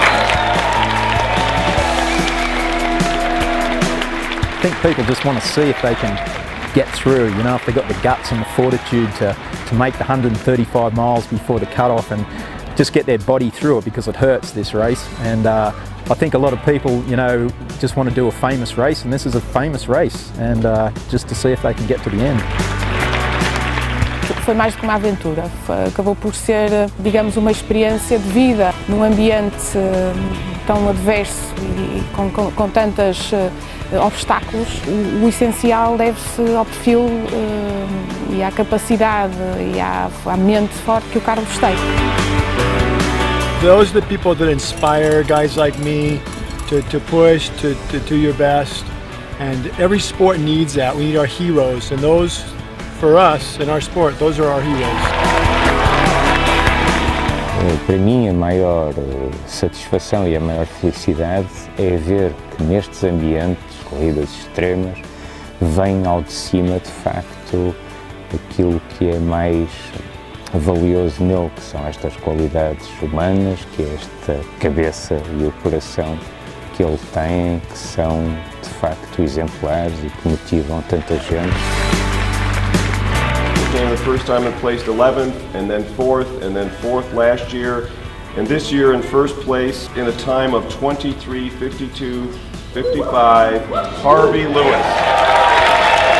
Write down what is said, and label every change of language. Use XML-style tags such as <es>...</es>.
<en>I think people just want to see if they can get through, you know, if they got the guts and the fortitude to make the 135 miles before the cutoff and just get their body through it, because it hurts, this race. And I think a lot of people, you know, just want to do a famous race, and this is a famous race, and just to see if they can get to the end.</en> <pt>Foi mais do que uma aventura, acabou por ser, digamos, uma experiência de vida num ambiente tão adverso e com tantos obstáculos. O essencial deve-se ao perfil e à capacidade e à mente forte que o Carlos tem.</pt> <en>Those are the people that inspire guys like me to push, to do your best. And every sport needs that. We need our heroes. And those, for us, in our sport, those are our heroes.</en> <pt>Para mim, a maior satisfação e a maior felicidade é ver que nestes ambientes, corridas extremas, vem ao de cima, de facto, aquilo que é mais valioso nele, que são estas qualidades humanas, que é esta cabeça e o coração que ele tem, que são de facto exemplares e que motivam tanta gente.</pt> <en>He came the first time and placed 11th, and then 4th, and then 4th last year, and this year in first place in a time of 23:52:55, Harvey Lewis.</en>